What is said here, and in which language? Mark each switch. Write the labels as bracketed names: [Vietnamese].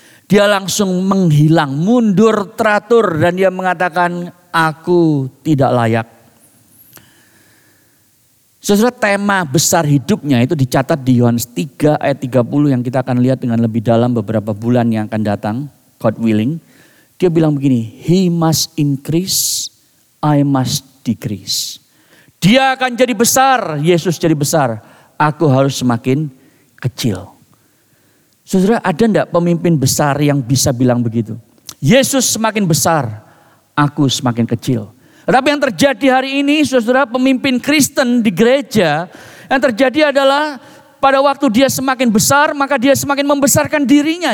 [Indonesian] Dia langsung menghilang, mundur teratur, dan dia mengatakan, aku tidak layak. Saudara, tema besar hidupnya itu dicatat di Yohanes 3 ayat 30 yang kita akan lihat dengan lebih dalam beberapa bulan yang akan datang, [English] God willing. [Indonesian] Dia bilang begini, [English] he must increase, I must decrease. [Indonesian] Dia akan jadi besar, Yesus jadi besar. Aku harus semakin kecil. Saudara, ada enggak pemimpin besar yang bisa bilang begitu? Yesus semakin besar, aku semakin kecil. Tapi yang terjadi hari ini, saudara, pemimpin Kristen di gereja, yang terjadi adalah pada waktu dia semakin besar, maka dia semakin membesarkan dirinya.